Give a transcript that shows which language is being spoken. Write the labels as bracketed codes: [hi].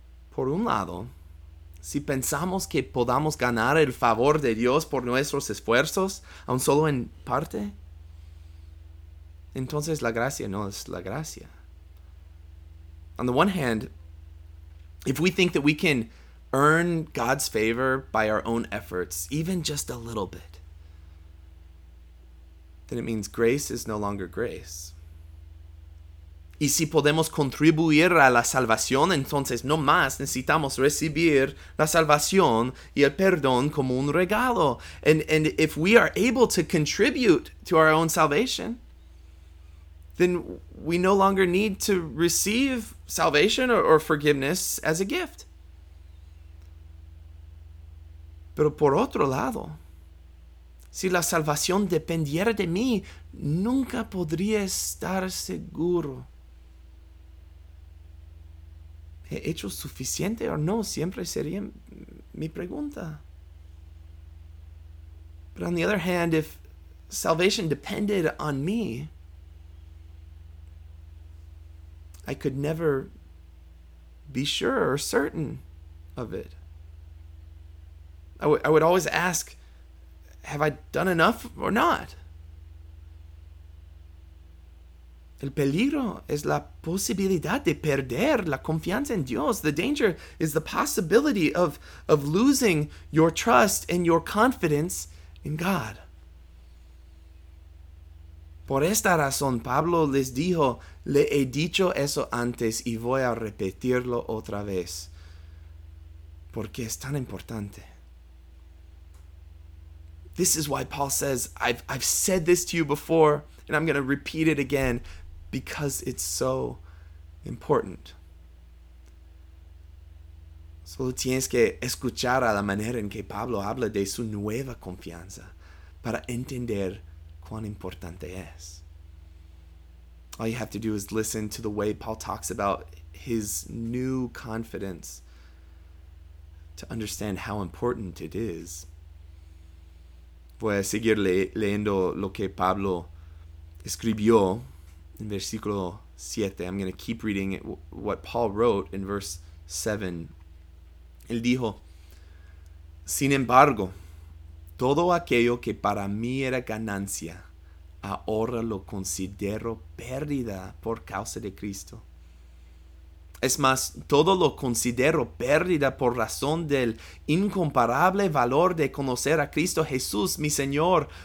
[es] Por un lado, si pensamos que podamos ganar el favor de Dios por nuestros esfuerzos, aun solo en parte, entonces la gracia no es la gracia. [en] On the one hand, if we think that we can earn God's favor by our own efforts, even just a little bit, then it means grace is no longer grace. [es] Y si podemos contribuir a la salvación, entonces no más necesitamos recibir la salvación y el perdón como un regalo. [en] And if we are able to contribute to our own salvation, then we no longer need to receive salvation or forgiveness as a gift. [es] Pero por otro lado, si la salvación dependiera de mí, nunca podría estar seguro. ¿He hecho suficiente o no? Siempre sería mi pregunta. [en] But on the other hand, if salvation depended on me, I could never be sure or certain of it. I would always ask, have I done enough or not? [es] El peligro es la posibilidad de perder la confianza en Dios. [en] The danger is the possibility of losing your trust and your confidence in God. [es] Por esta razón, Pablo les dijo, le he dicho eso antes y voy a repetirlo otra vez, porque es tan importante. [en] This is why Paul says, I've said this to you before, and I'm going to repeat it again, because it's so important. [es] Solo tienes que escuchar a la manera en que Pablo habla de su nueva confianza para entender cuán importante es. [en] All you have to do is listen to the way Paul talks about his new confidence to understand how important it is. [es] Voy a seguir leyendo lo que Pablo escribió en versículo 7. [en] I'm going to keep reading what Paul wrote in verse 7. [es] Él dijo, sin embargo, todo aquello que para mí era ganancia, ahora lo considero pérdida por causa de Cristo. Es más, todo lo considero pérdida por razón del incomparable valor de conocer a Cristo Jesús, mi Señor.